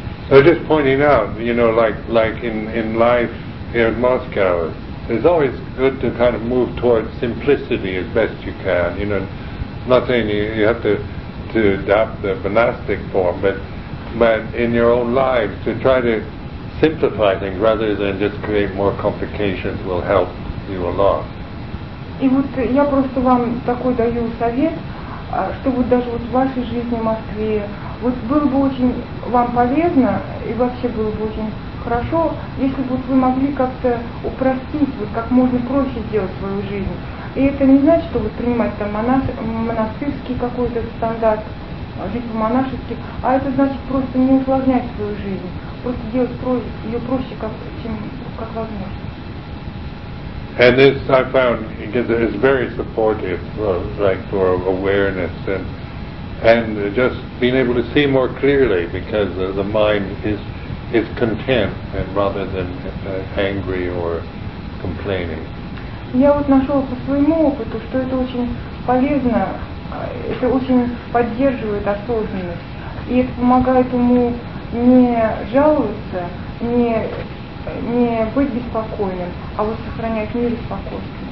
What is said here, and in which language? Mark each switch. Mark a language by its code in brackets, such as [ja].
[en] So just pointing out, you know, like in life here in Moscow, it's always good to kind of move towards simplicity as best you can. You know, I'm not saying you have to adopt the monastic form, but in your own lives, to try to simplify things rather than just create more complications will help you a lot. [ru] И вот я просто вам такой даю совет, что вот даже вот в вашей жизни в Москве, вот было бы очень вам полезно, и вообще было бы очень хорошо, если бы вы могли как-то упростить, вот как можно проще сделать свою жизнь. И это не значит, что вы принимаете там монастырский какой-то стандарт, жить по-монашески, а это значит просто не усложнять свою жизнь, просто делать ее проще, как возможно. [en] And this I found is very supportive for awareness and just being able to see more clearly, because the mind is content and rather than angry or complaining. [ru] Я вот нашел по своему опыту, что это очень полезно, это очень поддерживает осознанность, и это помогает ему не жаловаться, не быть беспокойным, а вот сохранять мир и спокойствие.